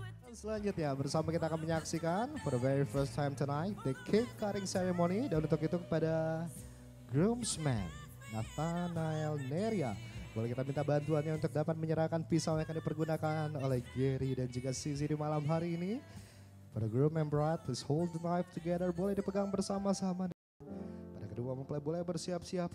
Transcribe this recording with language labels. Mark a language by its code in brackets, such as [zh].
[id] Selanjutnya bersama kita akan menyaksikan [en] for the very first time tonight the cake cutting ceremony, [id] dan untuk itu kepada groomsman Nathanael Neria. Boleh kita minta bantuannya untuk dapat menyerahkan pisau yang akan dipergunakan oleh Gary dan juga Sizi di malam hari ini. [en] For the groom and bride, please hold the knife together. [id] Boleh dipegang bersama-sama. Pada kedua mempelai boleh bersiap-siap.